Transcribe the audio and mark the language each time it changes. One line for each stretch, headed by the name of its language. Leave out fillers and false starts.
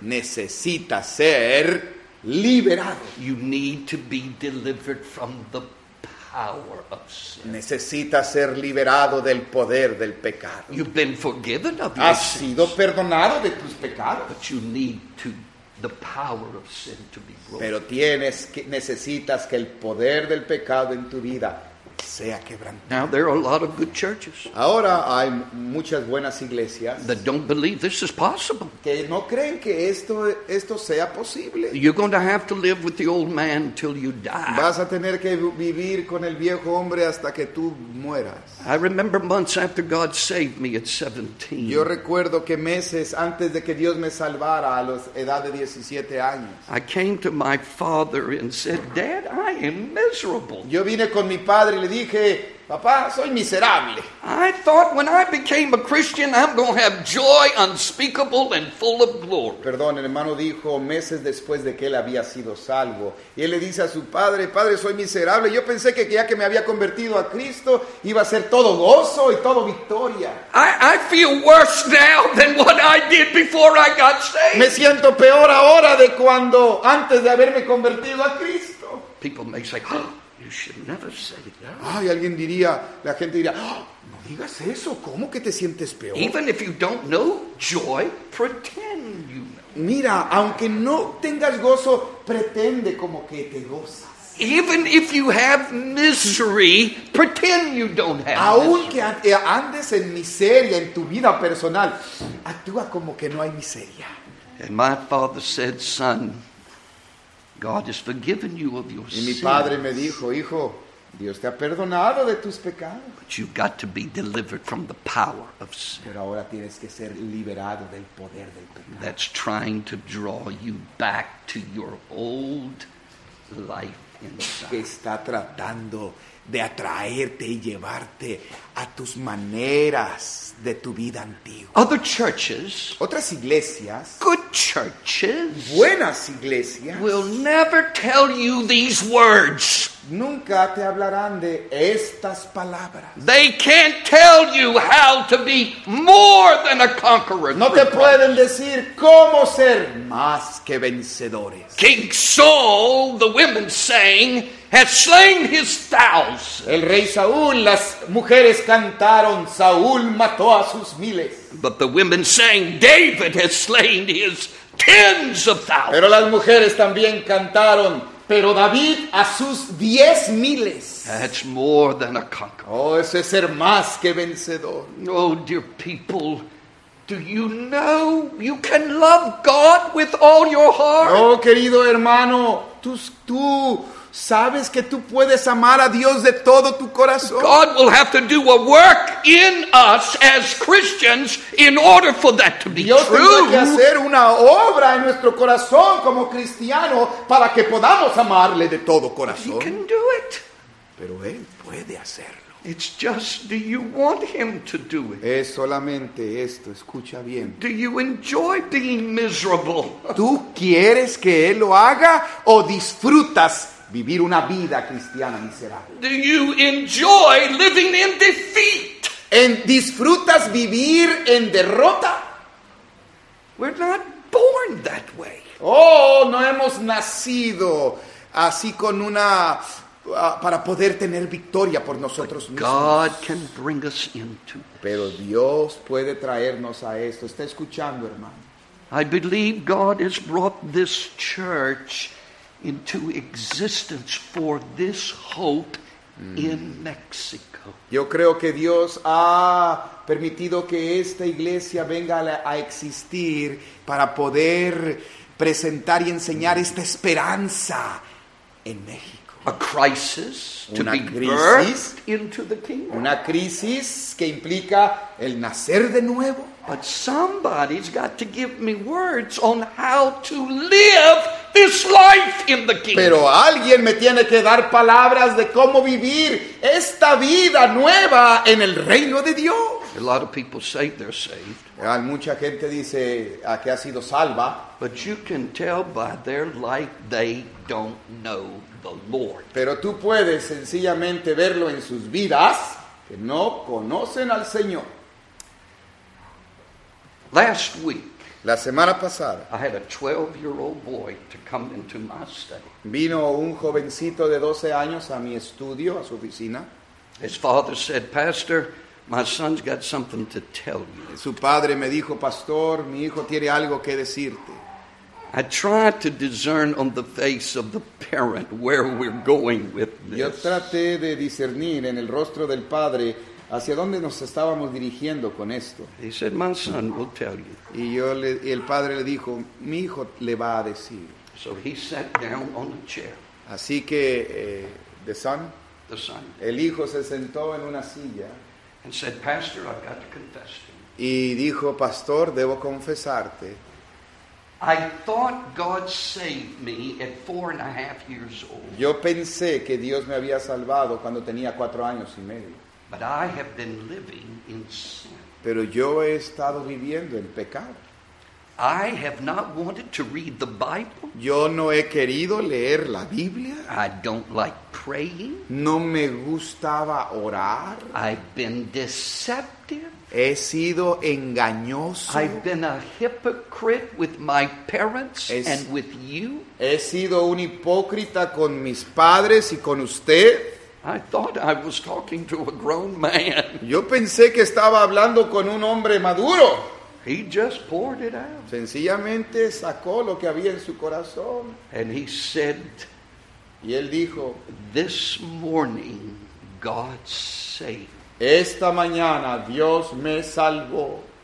Spanish: Necesitas ser liberado.
English: You need to be delivered from the power of sin.
Spanish: Necesitas ser liberado del poder del pecado.
English: You've been forgiven of your sins.
Spanish: Has sido perdonado de tus pecados.
English: But you need to the power of sin to be broken.
Spanish: Pero necesitas que el poder del pecado en tu vida sea quebrantado.
English: Now there are a lot of good churches.
Spanish: Ahora hay muchas buenas iglesias.
English: That don't believe this is possible.
Spanish: Que no creen que esto sea posible.
English: You're going to have to live with the old man till you die.
Spanish: Vas a tener que vivir con el viejo hombre hasta que tú mueras.
English: I remember months after God saved me at 17.
Spanish: Yo recuerdo que meses antes de que Dios me salvara a los edad de 17 años.
English: I came to my father and said, "Dad, I am miserable."
Spanish: Yo vine con mi padre y le dije, papá, soy miserable.
English: I thought when I became a Christian, I'm going to have joy unspeakable and full of glory.
Spanish: Perdón, el hermano dijo meses después de que él había sido salvo. Y él le dice a su padre, padre, soy miserable. Yo pensé que ya que me había convertido a Cristo, iba a ser todo gozo y todo victoria.
English: I feel worse now than what I did before I got saved.
Spanish: Me siento peor ahora de cuando antes de haberme convertido a Cristo.
English: People may say, oh, you should never say that.
Spanish: Ay, alguien diría, la gente diría, no digas eso, ¿cómo que te sientes peor?
English: Even if you don't know joy, pretend you know.
Spanish: Mira, aunque no tengas gozo, pretende como que te gozas.
English: Even if you have misery, pretend you don't have
Spanish: aunque
English: misery.
Spanish: Aunque andes en miseria en tu vida personal, actúa como que no hay miseria.
English: And my father said, son, God has forgiven you of your sins.
Spanish: Y mi padre me dijo, hijo, Dios te ha perdonado de tus pecados.
English: But you've got to be delivered from the power of sin.
Spanish: Pero ahora tienes que ser liberado del poder del pecado.
English: That's trying to draw you back to your old life inside.
Spanish: Que está tratando de atraerte y llevarte a tus maneras de tu vida antigua.
English: Other churches,
Spanish: otras iglesias,
English: good churches,
Spanish: buenas iglesias,
English: will never tell you these words.
Spanish: Nunca te hablarán de estas palabras.
English: They can't tell you how to be more than a conqueror.
Spanish: No te pueden decir cómo ser más que vencedores.
English: King Saul, the women sang, has slain his thousands.
Spanish: El rey Saúl, las mujeres cantaron, Saúl mató a sus miles.
English: But the women sang, David has slain his tens of thousands.
Spanish: Pero las mujeres también cantaron, pero David a sus diez miles.
English: That's more than a conqueror.
Spanish: Oh, ese es ser más que vencedor.
English: Oh, dear people, do you know you can love God with all your heart?
Spanish: Oh, querido hermano, tú sabes que tú puedes amar a Dios de todo tu corazón.
English: God will have to do a work in us as Christians in order for that to be
Spanish: Dios
English: true.
Spanish: Dios tendrá que hacer una obra en nuestro corazón como cristiano para que podamos amarle de todo corazón.
English: He can do it.
Spanish: Pero Él puede hacerlo.
English: It's just, do you want Him to do it?
Spanish: Es solamente esto, escucha bien.
English: Do you enjoy being miserable?
Spanish: ¿Tú quieres que Él lo haga o disfrutas vivir una vida cristiana miserable?
English: Do you enjoy living in defeat?
Spanish: ¿Disfrutas vivir en derrota?
English: We're not born that way.
Spanish: Oh, no hemos nacido así con una para poder tener victoria por nosotros
English: But
Spanish: mismos.
English: God can bring us into.
Spanish: Pero Dios puede traernos a esto. ¿Está escuchando, hermano?
English: I believe God has brought this church into existence for this hope in Mexico.
Spanish: Yo creo que Dios ha permitido que esta iglesia venga a existir para poder presentar y enseñar esta esperanza en México.
English: A crisis to be birthed into the kingdom.
Spanish: Una crisis que implica el nacer de nuevo.
English: But somebody's got to give me words on how to live this life in the kingdom.
Spanish: Pero alguien me tiene que dar palabras de cómo vivir esta vida nueva en el reino de Dios.
English: A lot of people say they're saved.
Spanish: Mucha gente dice a que ha sido salva.
English: But you can tell by their life they don't know the Lord.
Spanish: Pero tú puedes sencillamente verlo en sus vidas que no conocen al Señor.
English: Last week,
Spanish: la semana pasada,
English: I had a 12-year-old boy to come into my study.
Spanish: Vino un jovencito de 12 años a mi estudio, a su oficina.
English: His father said, "Pastor, my son's got something to tell you."
Spanish: Su padre me dijo, "Pastor, mi hijo tiene algo que decirte."
English: I tried to discern on the face of the parent where we're going with this.
Spanish: Yo traté de discernir en el rostro del padre hacia dónde nos estábamos dirigiendo con esto.
English: He said, "My son will tell you."
Spanish: Y yo le, y el padre le dijo, "Mi hijo le va a decir."
English: So he sat down on a chair.
Spanish: Así que
English: the son, the son,
Spanish: el hijo se sentó en una silla.
English: And said, "Pastor, I've got to confess to you."
Spanish: Y dijo, "Pastor, debo confesarte."
English: I thought God saved me at 4.5 years old.
Spanish: Yo pensé que Dios me había salvado cuando tenía 4 años y medio.
English: But I have been living in sin.
Spanish: Pero yo he estado viviendo en pecado.
English: I have not wanted to read the Bible.
Spanish: Yo no he querido leer la Biblia.
English: I don't like praying.
Spanish: No me gustaba orar.
English: I've been deceptive.
Spanish: He sido engañoso.
English: I've been a hypocrite with my parents and with you.
Spanish: He sido un hipócrita con mis padres y con usted.
English: I thought I was talking to a grown man.
Spanish: Yo pensé que estaba hablando con un hombre maduro.
English: He just poured it out.
Spanish: Sencillamente sacó lo que había en su corazón.
English: And he said,
Spanish: y él dijo,
English: "This morning God saved."
Spanish: Esta mañana Dios me salvó.